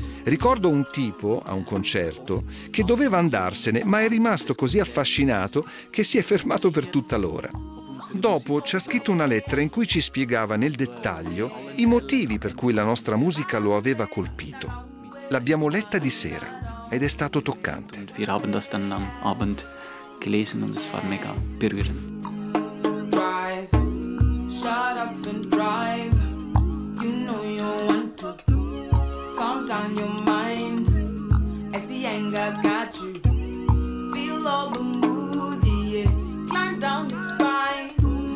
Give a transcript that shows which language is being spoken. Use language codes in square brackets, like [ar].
[it] Ricordo un tipo a un concerto che doveva andarsene, ma è rimasto così affascinato che si è fermato per tutta l'ora. Dopo ci ha scritto una lettera in cui ci spiegava nel dettaglio i motivi per cui la nostra musica lo aveva colpito. L'abbiamo letta di sera. Ed è stato toccante. [de] Wir haben das dann am Abend gelesen und es war mega berührend. [en] Drive, shut up and drive. You know you want to calm down your mind. As the anger's got you. Feel all the mood, yeah. Climb down your spine.